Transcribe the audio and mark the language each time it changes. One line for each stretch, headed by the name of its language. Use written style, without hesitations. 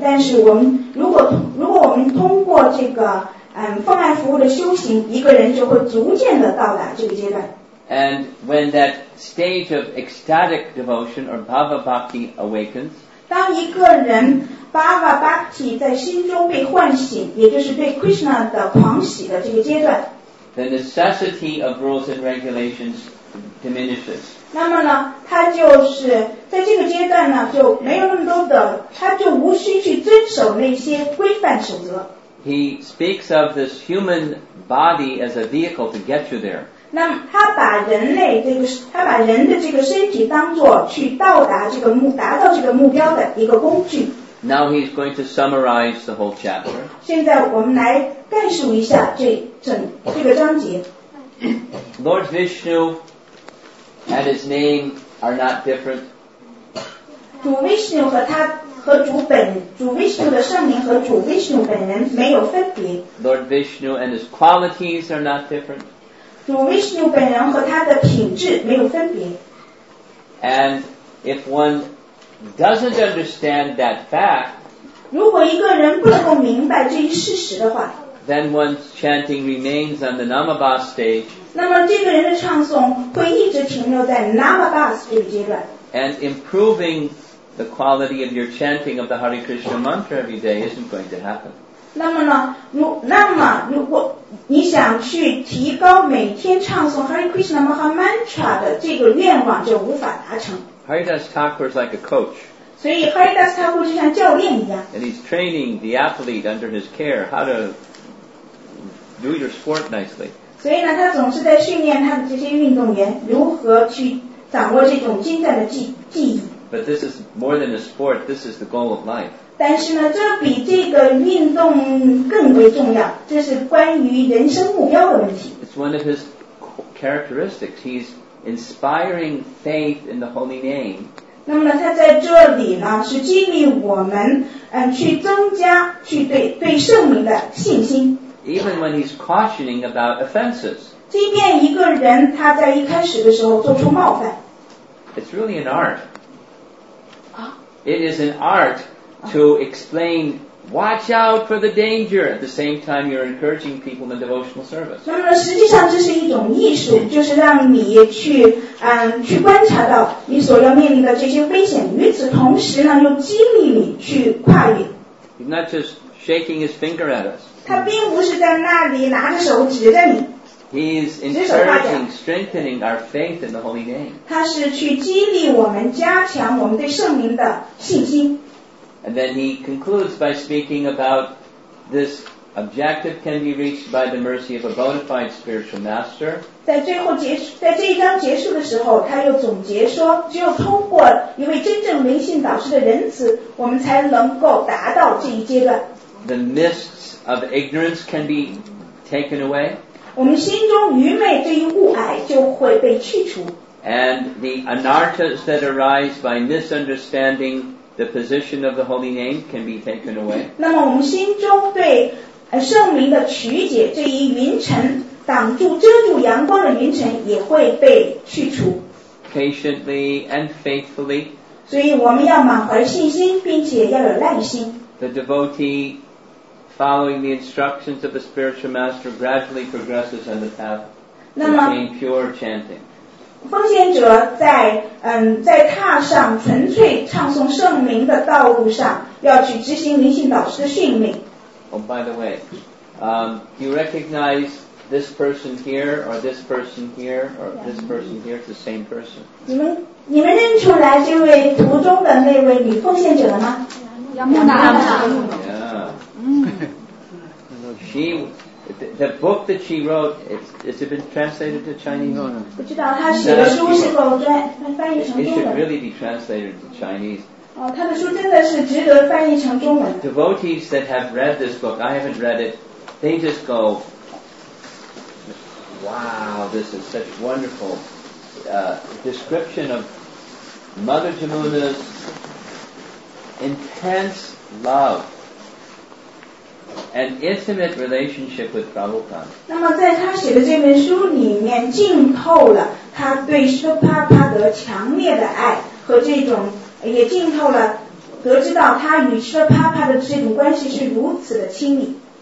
Chinese: 但是我们如果我们通过这个奉爱服务的修行，一个人就会逐渐的到达这个阶段。
English: And when that stage of ecstatic devotion or bhava bhakti awakens,
Chinese: 当一个人 bhava bhakti 在心中被唤醒，也就是对 Krishna 的狂喜的这个阶段，
English: the necessity of rules and regulations diminishes.
Chinese: 那么呢，他就是在这个阶段呢，就没有那么多的，他就无需去遵守那些规范守则。
English: He speaks of this human body as a vehicle to get you there.
Chinese: 那他把人类这个，他把人的这个身体当作去到达这个目，达到这个目标的一个工具。
English: Now he's going to summarize the whole chapter.
Chinese: 现在我们来概述一下这个章节。
English: Lord Vishnu and his name are not different.
Chinese: 主 Vishnu 和他。主 Vishnu 的圣名和主 Vishnu 本人没有分别。
English: Lord Vishnu and his qualities are not different.
Chinese: 主 Vishnu 本人和他的品质没有分别。
English: And if one doesn't understand that fact,
Chinese: 如果一个人不能够明白这一事实的话，
English: then one's chanting remains on the Namaba stage.
Chinese: 那么这个人的唱诵会一直停留在 Namaba 这个阶段。
English: And improving the quality of your chanting of the Hare Krishna mantra every day isn't going to happen.
Chinese: 那么呢，如果你想去提高每天唱诵 Hare Krishna Maha mantra 的这个愿望，就无法达成。
English: Haridas Thakur is like a coach.
Chinese: 所以 Haridas Thakur 就像教练一样。
English: And he's training the athlete under his care how to do your sport nicely.
Chinese: 所以呢，他总是在训练他的这些运动员如何去掌握这种精湛的技艺。
English: But this is more than a sport. This is the goal of life.
Chinese: 但是呢，这比这个运动更为重要。这是关于人生目标的问题。
English: It's one of his characteristics. He's inspiring faith in the holy name.
Chinese: 那么呢，他在这里呢，是激励我们，去增加去对圣名的信心。
English: Even when he's cautioning about offenses.
Chinese: 即便一个人他在一开始的时候做出冒犯。
English: It's really an art. It is an art to explain, watch out for the danger at the same time you're encouraging people in the devotional service.
Chinese: 那么实际上这是一种艺术，就是让你去观察到你所要面临的这些危险，与此同时呢，又激励你去跨越。
English: He's not just shaking his finger at us.
Chinese: 他并不是在那里拿着手指着你。
English: He's encouraging, strengthening our faith in the holy name.
Chinese: 他是去激励我们，加强我们对圣名的信心。
English: And then he concludes by speaking about this objective can be reached by the mercy of a bona fide spiritual master.
Chinese: 在这一章结束的时候，他又总结说，只有通过一位真正灵性导师的仁慈，我们才能够达到这一阶段。
English: The mists of ignorance can be taken away.
Chinese: 我们心中愚昧这一雾霭就会被去除。
English: And the anarthas that arise by misunderstanding the position of the holy name can be taken away.
Chinese: 那么我们心中对圣名的曲解这一云尘，挡住遮住阳光的云尘也会被去除。
English: Patiently and faithfully.
Chinese: 所以我们要满怀信心，并且要有耐心。
English: The devotee. Following the instructions of the spiritual master gradually progresses on the path to attain pure chanting.
Chinese: 奉献者在踏上纯粹唱诵圣名的道路上，要去执行灵性导师的训练。
English: Oh, by the way, do you recognize this person here, or this person here, or this person here? It's the same person.
Chinese: 你们认出来这位途中的那位女奉献者了吗？杨慕达。
English: She, the book that she wrote, has it been translated to Chinese? No.
Chinese: 不知道她写的书是否翻译成中文。
English: It should really be translated to Chinese.
Chinese: 她的书真的是值得翻译成中文。
English: Devotees that have read this book, I haven't read it, they just go, wow, this is such wonderful description of Mother Jamuna's intense love. An intimate relationship with Prabhupada.
Chinese: 那么在他写的这本书里面浸透了他对舍帕帕德强烈的爱和这种也浸透了得知到他与舍帕帕的这种关系是如此的亲密。